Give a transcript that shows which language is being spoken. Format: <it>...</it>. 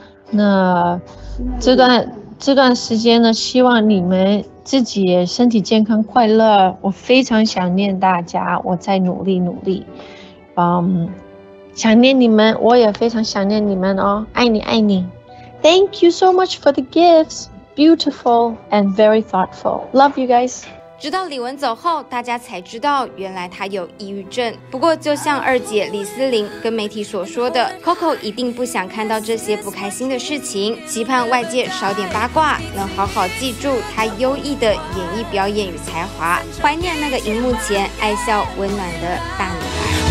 <zh>那这段时间呢，希望你们自己身体健康快乐，我非常想念大家，我再努力努力。想念你们，我也非常想念你们哦，爱你爱你。</zh> <en>Thank you so much for the giftsBeautiful and very thoughtful. Love you guys.</en> <zh>直到李玟走后，大家才知道原来她有抑郁症。不过就像二姐李思玲跟媒体所说的， Coco 一定不想看到这些不开心的事情，期盼外界少点八卦，能好好记住她优异的演艺表演与才华，怀念那个荧幕前爱笑温暖的大女孩。</zh>